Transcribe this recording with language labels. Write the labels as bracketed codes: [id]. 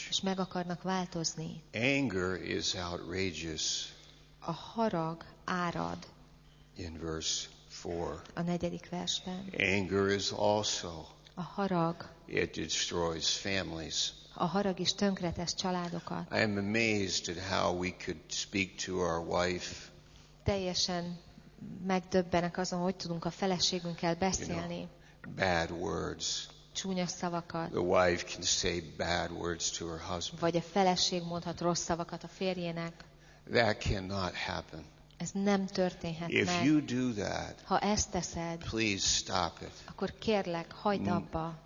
[hu] És meg akarnak változni. [en] Anger is outrageous. [hu] A harag árad. [en] In verse 4. [hu] A negyedik versben. [en] Anger is also. [hu] A harag. [en] It destroys families. [hu] A harag is tönkretesz családokat. [en] I am amazed at how we could speak to our wife. [hu] Teljesen megdöbbenek azon, hogy tudunk a feleségünkkel beszélni. [en] You know, bad words. [hu] Csúnya szavakat. [en] The wife can say bad words to her husband. [hu] Vagy a feleség mondhat rossz szavakat a férjének. [en] That cannot happen. [hu] Ez nem történhet [en] If [hu] meg. [en] If you do that, [hu] ha ezt teszed, [en] please stop it. [hu] Akkor kérlek, hagyd abba.